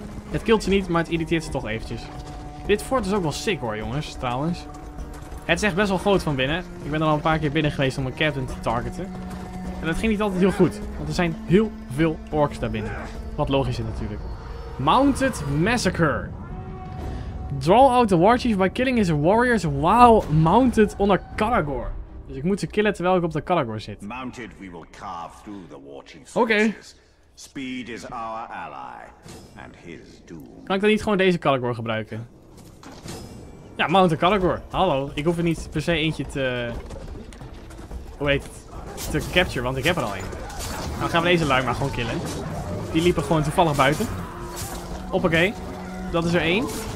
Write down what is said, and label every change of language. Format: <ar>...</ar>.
<nl>Het kilt ze niet, maar het irriteert ze toch eventjes. Dit fort is ook wel sick hoor, jongens, trouwens. Het is echt best wel groot van binnen. Ik ben er al een paar keer binnen geweest om een captain te targeten. En dat ging niet altijd heel goed, want er zijn heel veel orks daarbinnen. Wat logisch is natuurlijk.</nl> <en>Mounted Massacre. Draw out the warchief by killing his warriors while mounted on a Caligor.</en> <nl>Dus ik moet ze killen terwijl ik op de Caligor zit.</nl> <en>Mounted, we will carve through the warchief's forces.</en> <nl>Oké.</nl> <en>Speed is our ally and his doom.</en> <nl>Kan ik dan niet gewoon deze Caligor gebruiken? Ja,</nl> <en>mount a Caligor.</en> <nl>Hallo, ik hoef er niet per se eentje te... Hoe heet het? Te capture, want ik heb er al een. Dan gaan we deze lui maar gewoon killen. Die liepen gewoon toevallig buiten. Hoppakee. Dat is er één.</nl>